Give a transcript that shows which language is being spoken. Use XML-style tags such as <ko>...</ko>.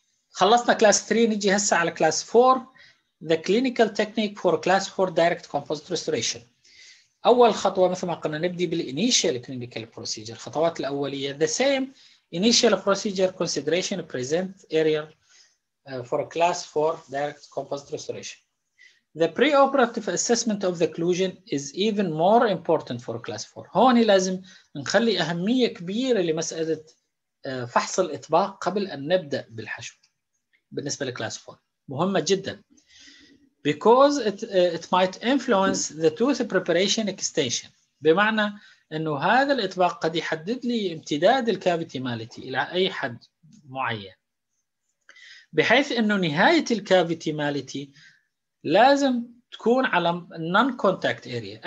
<ar>خلصنا كلاس 3 نجي هسه على كلاس 4</ar> <en>the clinical technique for class 4 direct composite restoration.</en> <ar>أول خطوة مثل ما قلنا نبدي بالإنيشال كلينيكال بروسيجر، الخطوات الأولية</ar> <en>the same initial procedure consideration present aerial for class 4 direct composite restoration. The preoperative assessment of the occlusion is even more important for class 4.</en> <ar>هون لازم نخلي أهمية كبيرة لمسألة فحص الإطباق قبل أن نبدأ بالحشو بالنسبة لكلاس 4، مهمة جدا.</ar> <en>Because it might influence the tooth preparation extension.</en> <ar>بمعنى أنه هذا الإطباق قد يحدد لي امتداد الكافيتي مالتي إلى أي حد معين، بحيث أنه نهاية الكافيتي مالتي لازم تكون على non-contact area.</ar>